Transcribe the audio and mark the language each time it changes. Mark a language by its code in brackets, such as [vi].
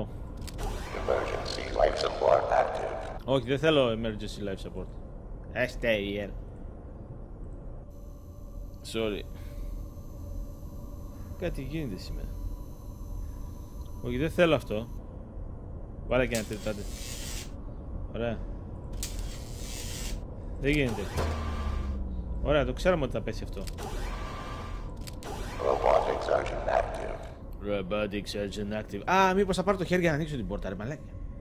[en] Emergency life support active. [el] Όχι, δεν θέλω emergency life support. [en] Stay here. Sorry. [el] Κάτι γίνεται σήμερα. Όχι, δεν θέλω αυτό. Βάλε και ένα τριτάτε. Ωραία. Δεν γίνεται. Ωραία, το ξέραμε ότι θα πέσει αυτό. [en] Robotic Sergeant Active. Robotic Sergeant Active. [el] Α, μήπως θα πάρω το χέρι για να ανοίξω την πόρτα, ρε μαλάκια.